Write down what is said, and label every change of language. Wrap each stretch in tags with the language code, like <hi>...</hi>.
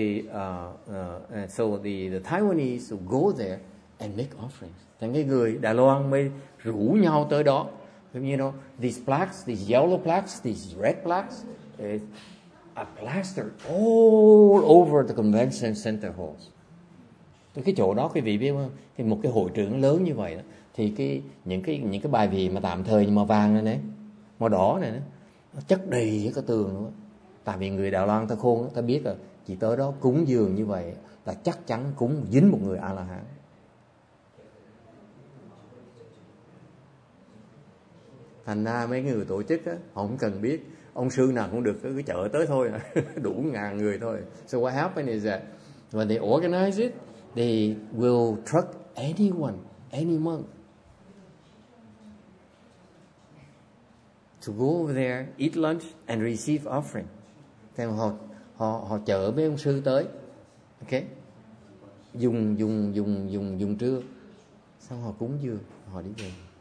<en>And then the Taiwanese will go there and make offerings.</en> <vi>Thành cái người Đài Loan mới rủ nhau tới đó.</vi> <en>You know, these plaques, these yellow plaques, these red plaques, are plastered all over the convention center halls.</en> <vi>Từ cái chỗ đó, quý vị biết không? Thì một cái hội trưởng lớn như vậy đó, thì những cái bài vị mà tạm thời màu vàng này, màu đỏ này, nó chất đầy những cái tường luôn. Tại vì người Đài Loan ta khôn, ta biết là chỉ tới đó cúng dường như vậy là chắc chắn cúng dính một người A-la-hán. Thành ra mấy người tổ chức á, không cần biết ông sư nào cũng được, cứ chở tới thôi, đủ ngàn người thôi.</vi> <en>So what happened is that when they organize it, they will truck anyone, any monk, to go over there, eat lunch, and receive offering.</en> <vi>Then họ chở mấy ông sư tới, okay? Dùng trưa, xong họ cúng dường, họ đi về.</vi>